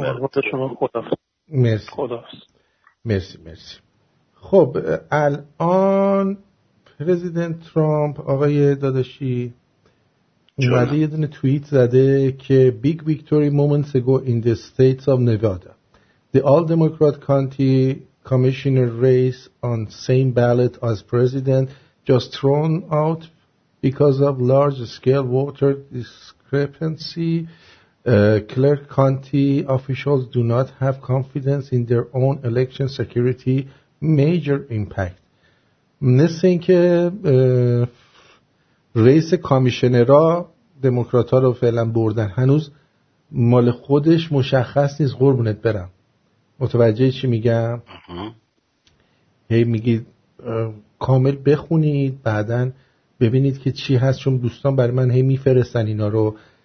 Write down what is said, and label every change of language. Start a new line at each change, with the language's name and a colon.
Persian: برات. شما خدافظ. مرسی. خدافظ. مرسی مرسی. خب الان پرزیدنت ترامپ آقای داداشی اومده یه دونه توییت زده که
English: big victory moments ago in the states of Nevada. The all Democrat county commissioner race on same ballot as president just thrown out because of large scale voter discrepancy. Clark County officials do not have confidence in their own election security. Major impact.
Persian: مثل این که رئیس کامیشنرها دموکرات ها رو فعلا بردن، هنوز مال خودش مشخص نیست. قربونت برم، متوجه چی میگم؟ هی میگید کامل بخونید بعدن ببینید که چی هست، چون دوستان برای من هی میفرستن اینا رو.